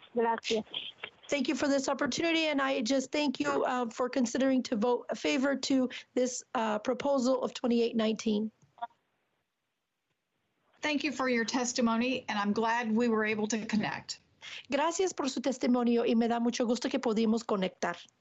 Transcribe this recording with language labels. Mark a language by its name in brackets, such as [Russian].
[Spanish] Gracias. [English] Thank you for this opportunity, and I just thank you for considering to vote a favor to this proposal of 2819. Thank you for your testimony, and I'm glad we were able to connect. [Spanish] Gracias por su testimonio, y me da mucho gusto que pudimos conectar.